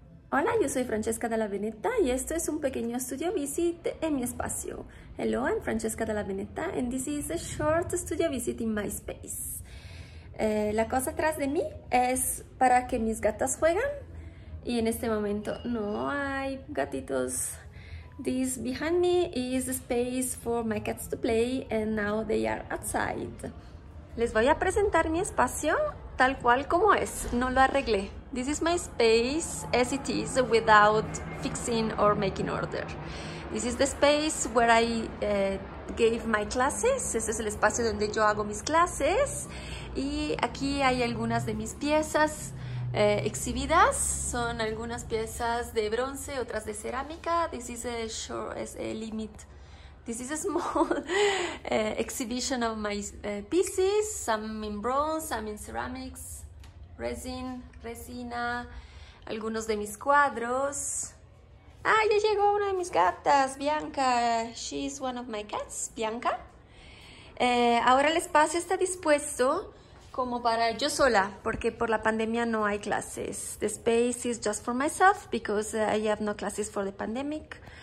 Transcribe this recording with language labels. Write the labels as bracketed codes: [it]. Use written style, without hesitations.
[es] Hola, yo soy Francesca Dalla Veneta y esto es un pequeño studio visit en mi espacio. [en] Hello, I'm Francesca Dalla Veneta and this is a short studio visit in my space. [es] La cosa atrás de mí es para que mis gatas jueguen y en este momento no hay gatitos. [en] This behind me is a space for my cats to play and now they are outside. [es] Les voy a presentar mi espacio tal cual como es, no lo arreglé. [en] This is my space as it is without fixing or making order. This is the space where I gave my classes. [es] Este es el espacio donde yo hago mis clases. Y aquí hay algunas de mis piezas exhibidas. Son algunas piezas de bronce, otras de cerámica. [en] This is a short, es a limit. This is a small exhibition of my pieces. Some in bronze, some in ceramics. [es] Resina, algunos de mis cuadros. Ah, ya llegó una de mis gatas, Bianca. [en] She's one of my cats, Bianca. [es] Ahora el espacio está dispuesto como para yo sola, porque por la pandemia no hay clases. [en] The space is just for myself because I have no classes for the pandemic.